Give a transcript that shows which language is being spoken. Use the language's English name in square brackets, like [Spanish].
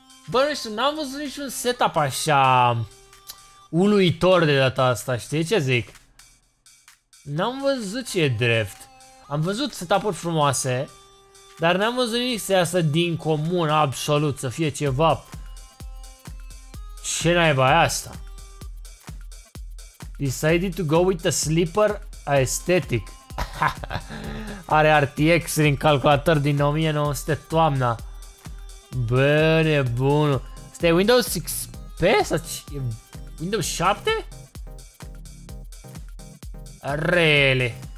[Romanian] Bă, nu știu, n-am văzut niciun setup așa uluitor de data asta, știi ce zic? N-am văzut ce e drept. Am văzut setup-uri frumoase, dar n-am văzut nimic să iasă din comun absolut, să fie ceva. Ce naiba e asta? [English] Decided to go with a sleeper aesthetic. [Romanian] Are RTX din calculator din 1900 toamna. Bă, nebun. Asta e Windows XP sau ce? Windows 7? Rele.